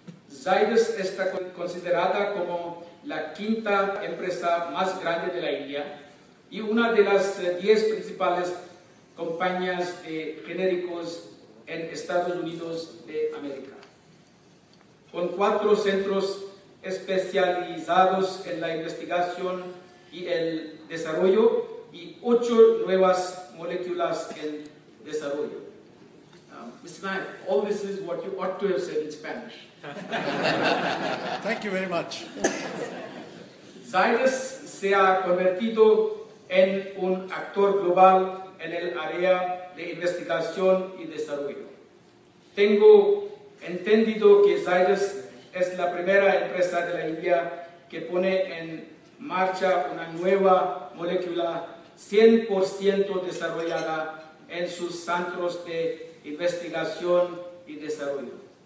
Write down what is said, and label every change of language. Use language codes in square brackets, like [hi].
[es] Zydus está considerada como la quinta empresa más grande de la India y una de las 10 principales compañías de genéricos en Estados Unidos de América, con 4 centros especializados en la investigación y el desarrollo y 8 nuevas moléculas en desarrollo. [en] Mr. Nayak, all this is what you ought to have said in Spanish. Thank you very much. [es] Zydus se ha convertido en un actor global en el área de investigación y desarrollo. Tengo entendido que Zydus es la primera empresa de la India que pone en marcha una nueva molécula 100% desarrollada en sus centros de investigación y desarrollo.